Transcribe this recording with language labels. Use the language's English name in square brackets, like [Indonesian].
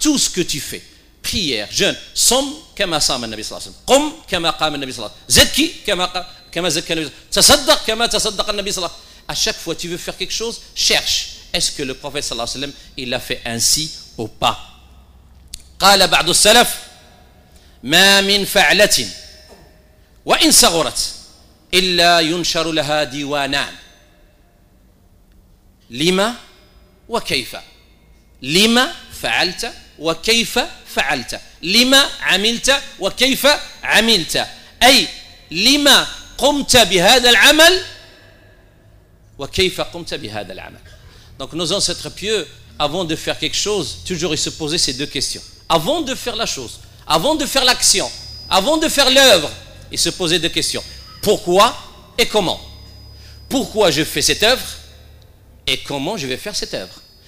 [French] Tout ce que tu fais, prière, jeûne, somme comme a somme le Nabi sallallahu alayhi wa sallam, qum comme a qam le Nabi sallallahu alayhi wa sallam, zakki comme a zakka le Nabi sallallahu alayhi wa sallam, tasaddaq comme a tasaddaq le Nabi sallallahu alayhi wa sallam. À chaque fois que tu veux faire quelque chose, cherche est-ce que le prophète sallallahu alayhi wa sallam il l'a fait ainsi ou pas. [Arabic] قال بعض السلف ما من فعلة وإن صغرت إلا ينشر لها ديوانان. لما وكيف؟ لما فعلت وكيف فعلت؟ لما عملت وكيف عملت؟ أي لما قمت بهذا العمل وكيف قمت بهذا العمل. [French] Donc nos ancêtres pieux, avant de faire quelque chose, toujours ils se posaient ces deux questions. Avant de faire la chose, avant de faire l'action, avant de faire l'œuvre, il se posait des questions. Pourquoi et comment? Pourquoi je fais cette œuvre et comment je vais faire cette œuvre?